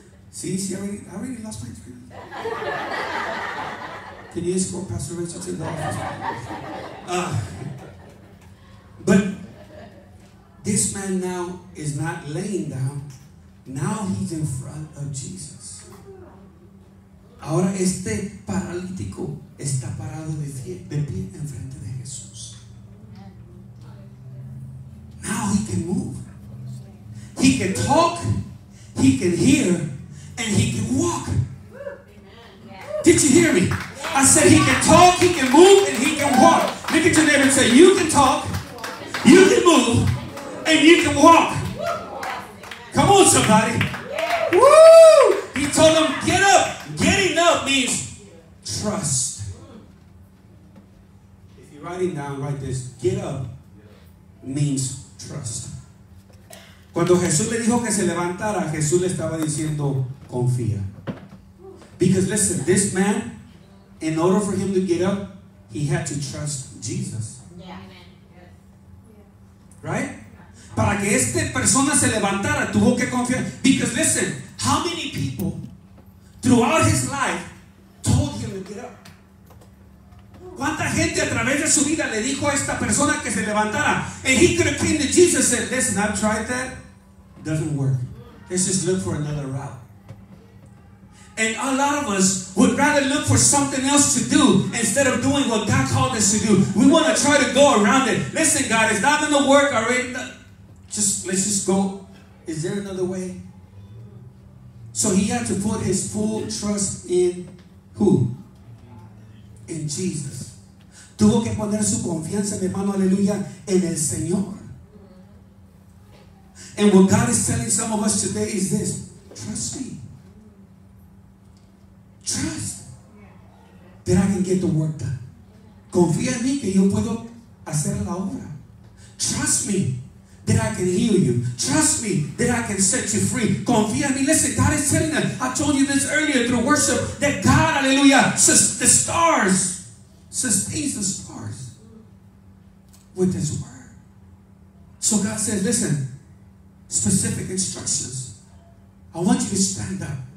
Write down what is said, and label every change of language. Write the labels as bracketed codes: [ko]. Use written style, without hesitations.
[en] See, I already lost my dream. Can you escort Pastor Rachel to the office? But this man now is not laying down. Now he's in front of Jesus. [es] Ahora este paralítico está parado de pie en frente de Jesús. [en] Now he can move. He can talk. He can hear. And he can walk. Did you hear me? I said he can talk, he can move, and he can walk. Look at your neighbor and say, you can talk. You can move and you can walk. Come on, somebody. Woo! He told them, get up. Getting up means trust. If you're writing down, write this. Get up means trust. [es] Cuando Jesús le dijo que se levantara, Jesús le estaba diciendo, confía. [en] Because listen, this man, in order for him to get up, he had to trust Jesus. Right? [es] Para que esta persona se levantara, tuvo que confiar. [en] Because listen, how many people throughout his life told him to get up? [es] ¿Cuánta gente a través de su vida le dijo a esta persona que se levantara? [en] And he could have came to Jesus and said, listen, I've tried that. Doesn't work. Let's just look for another route. And a lot of us would rather look for something else to do instead of doing what God called us to do. We want to try to go around it. Listen, God, it's not going to work already. Let's just go. Is there another way? So he had to put his full trust in who? In Jesus. [es] Tuvo que poner su confianza, mi hermano, aleluya, en el Señor. [en] And what God is telling some of us today is this. Trust me. Trust that I can get the work done. [es] Confía en mí que yo puedo hacer la obra. [en] Trust me that I can heal you. Trust me that I can set you free. [es] Confía en mí. [en] Listen, God is telling us. I told you this earlier through worship that God, hallelujah, the stars, sustains the stars with his word. So God says, listen, specific instructions. I want you to stand up.